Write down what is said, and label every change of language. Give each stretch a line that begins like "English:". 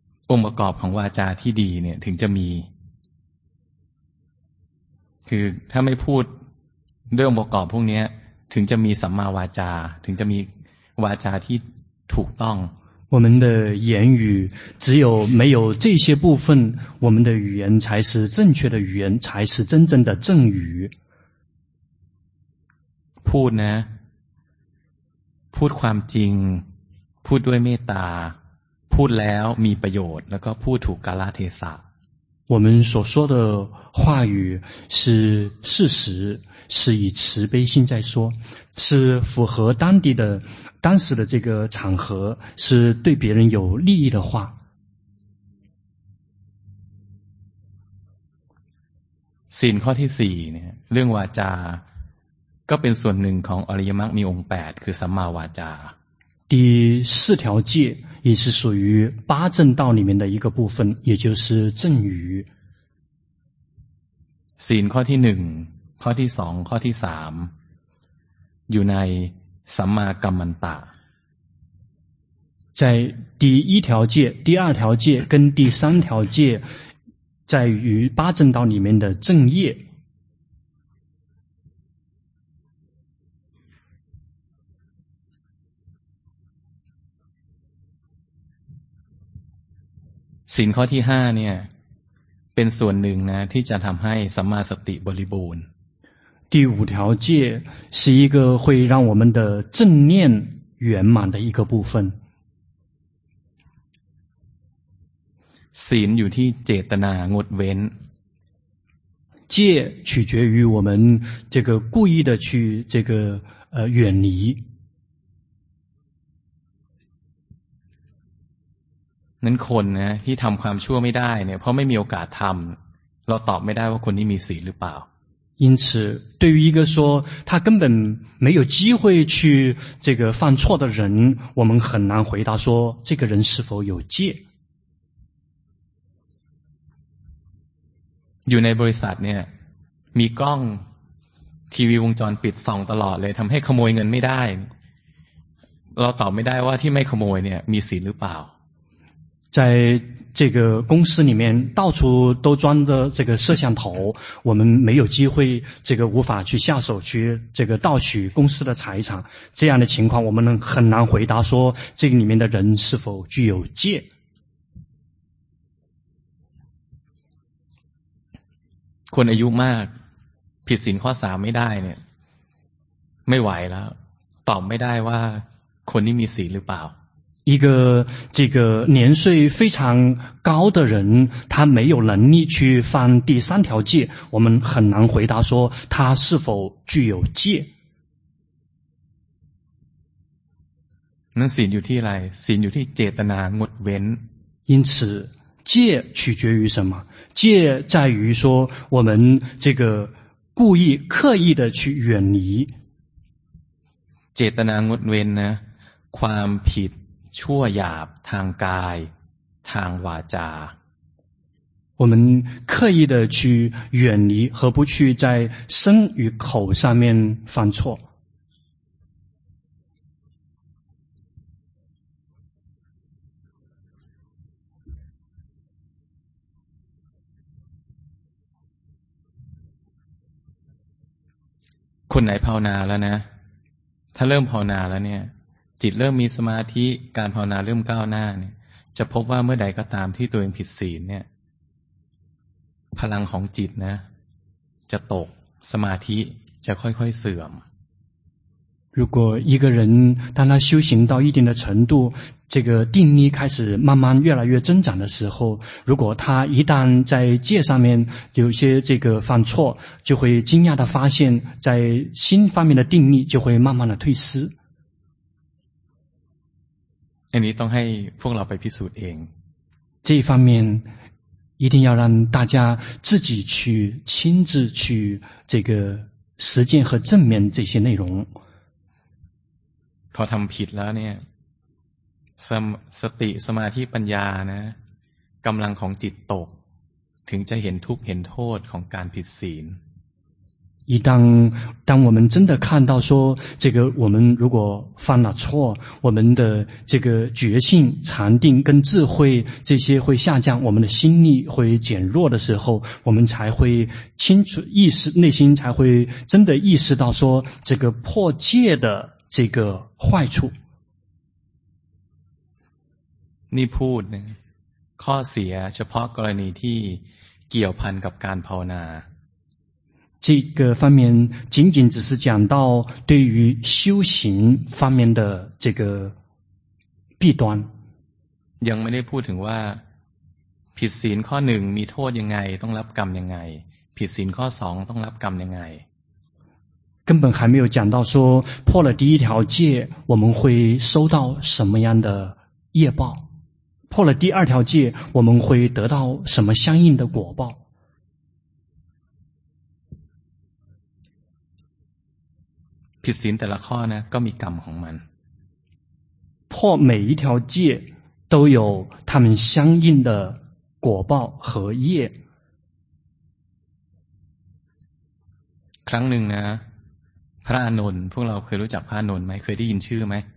Thai: องค์ประกอบของวาจาที่ดีเนี่ยถึงจะมีคือถ้าไม่พูดด้วยองค์ประกอบพวกนี้ถึงจะมีสัมมาวาจาถึงจะมีวาจาที่ถูกต้อง
Chinese: 我们的言语只有没有这些部分我们的语言才是正确的语言才是真正的正语
Thai: พูดนะพูดความจริงพูดด้วยเมตตาพูดแล้วมีประโยชน์แล้วก็พูดถูกกาลเทศะ
Chinese: 我们所说的话语是事实是以慈悲心在说是符合当地的当时的这个场合是对别人有利益的话
Thai: ศีลข้อที่4เนี่ยเรื่องวาจาก็เป็นส่วนหนึ่งของอริยมรรคมีองค์8คือสัมมาวาจา
Chinese: 第四条戒也是属于八正道里面的一个部分也就是正语
Thai: ศีลข้อที่1ข้อที่2ข้อที่3อยู่ในสัมมากัมมันตะ
Chinese: 在第一条戒第二条戒跟第三条戒在于八正道里面的正业
Thai: ศีลข้อที่5เนี่ยเป็นส่วนหนึ่งนะที่จะทำให้สัมมาสติบริบูรณ์
Chinese: 第五条戒是一个会让我们的正念圆满的一个部分
Thai: ศีลอยู่ที่เจตนางดเว้น
Chinese: 戒取决于我们这个故意的去这个远离
Thai: นั้นคนนะที่ทำความชั่วไม่ได้เนี่ยเพราะไม่มีโอกาสทำเราตอบไม่ได้ว่าคนนี้มีศีลหรือเปล่า
Chinese: 因此对于一个说他根本没有机会去这个犯错的人我们很难回答说这个人是否有戒
Thai: อยู่ในบริษัทเนี่ยมีกล้องทีวีวงจรปิดส่องตลอดเลยทำให้ขโมยเงินไม่ได้เราตอบไม่ได้ว่าที่ไม่ขโมยเนี่ยมีศีลหรือเปล่า
Chinese: 在这个公司里面到处都装着这个摄像头我们没有机会这个无法去下手去这个盗取公司的财产这样的情况我们能很难回答说这个里面的人是否具有戒
Thai: คนอายุมากผิดศีลข้อ3ไม่ได้เนี่ยไม่ไหวแล้วตอบไม่ได้ว่าคนนี้มีศีลหรือเปล่า
Chinese: 一个这个年岁非常高的人他没有能力去犯第三条戒我们很难回答说他是否具有戒
Thai: 那ศีลอยู่ที่อะไร ศีลอยู่ที่เจตนางดเว้น
Chinese: 因此戒取决于什么戒在于说我们这个故意刻意的去远离
Thai: เจตนางดเว้นนะความผิดชั่วหยาบทางกายทางวาจา
Chinese: 我们刻意的去远离和不去在身与口上面犯错
Thai: คนไหนภาวนาแล้วนะถ้าเริ่มภาวนาแล้วเนี่ยจิตเริ่มมีสมาธิการภาวนาเริ่มก้าวหน้าเนี่ยจะพบว่าเมื่อใดก็ตามที่ตัวเองผิดศีลเนี่ยพลังของจิตนะจะตกสมาธิจะค่อยๆเสื่อม
Chinese: 如果一个人当他修行到一定的程度这个定力开始慢慢越来越增长的时候如果他一旦在戒上面有些这个犯错就会惊讶的发现在心方面的定力就会慢慢的退失
Thai: อันนี้ต้องให้พวกเราไปพิสูจน์เอง
Chinese: 这一方面一定要让大家自己去亲自去这个实践和正面这些内容
Thai: เขาทำผิดแล้วเนี่ย สติสมาธิปัญญานะกำลังของจิตตกถึงจะเห็นทุกข์เห็นโทษของการผิดศีล
Chinese: 一旦当我们真的看到说这个我们如果犯了错我们的这个觉性禅定跟智慧这些会下降我们的心力会减弱的时候我们才会清楚意识内心才会真的意识到说这个破戒的这个坏处
Thai: 你พูดนะข้อเสียเฉพาะกรณีที่เกี่ยวพันกับการภาวนา
Chinese: 这个方面仅仅只是讲到对于修行方面的这个弊端
Thai: ยังไม่ได้พูดถึงว่าผิดศีลข้อ1มีโทษยังไงต้องรับกรรมยังไงผิดศีลข้อ2ต้องรับกรรมยังไง
Chinese: 根本还没有讲到说破了第一条戒我们会收到什么样的业报破了第二条戒我们会得到什么相应的果报
Thai: ผิดศีลแต่ละข้อนะก็มีกรรมของมัน
Chinese: 破每一条戒都有他们相应的果报和业
Thai: ครั้งหนึ่งนะพระอานนท์พวกเราเคยรู้จักพระอานนท์ไหมเคยได้ยินชื่อไหม